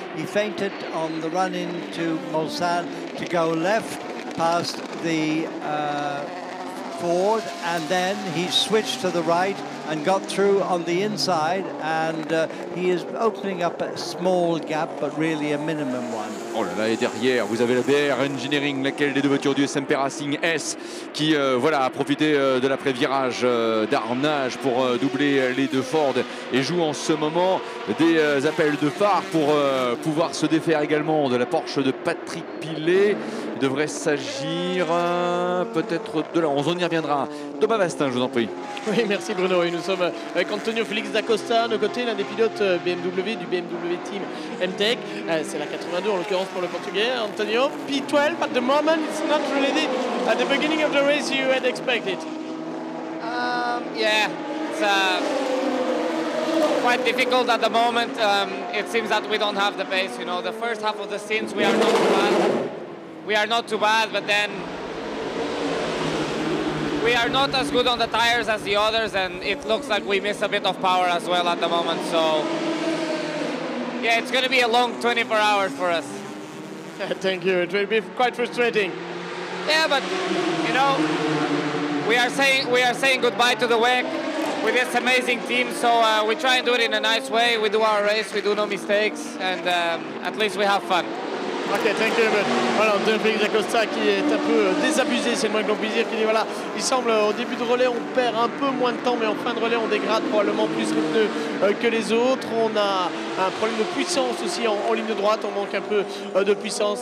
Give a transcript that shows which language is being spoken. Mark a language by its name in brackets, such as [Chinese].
[English] He fainted on the run into Mulsanne to go left past the Ford, and then he switched to the right and got through on the inside, and he is opening up a small gap, but really a minimum one. [French] Oh là là, et derrière, vous avez la BR Engineering, laquelle des deux voitures du SMP Racing S, qui voilà, a profité de l'après-virage d'arnage pour doubler les deux Ford, et joue en ce moment des appels de phare pour pouvoir se défaire également de la Porsche de Patrick Pilet. Il devrait s'agir peut-être de là. On y reviendra. Thomas Bastin, je vous en prie. Oui, merci Bruno. Et nous sommes avec Antonio Félix da Costa à nos côtés, l'un des pilotes BMW du BMW Team M-Tech. C'est la 82 en l'occurrence pour le Portugais. [English] Antonio, P12, at the moment, it's not really the, at the beginning of the race you had expected. Yeah, it's quite difficult at the moment. It seems that we don't have the pace. You know, the first half of the stints we are not too bad. We are not too bad, but then we are not as good on the tires as the others, and it looks like we miss a bit of power as well at the moment. So, yeah, it's going to be a long 24 hours for us. Thank you. It will be quite frustrating. Yeah, but you know, we are saying goodbye to the WEC with this amazing team. So we try and do it in a nice way. We do our race. We do no mistakes, and at least we have fun. Ok, thank you. [French] Voilà, Antonio Félix da Costa qui est un peu désabusé, c'est le moins qu'on puisse dire, qui dit voilà, il semble au début de relais on perd un peu moins de temps, mais en fin de relais on dégrade probablement plus les pneus que les autres. On a un problème de puissance aussi en ligne droite. On manque un peu de puissance.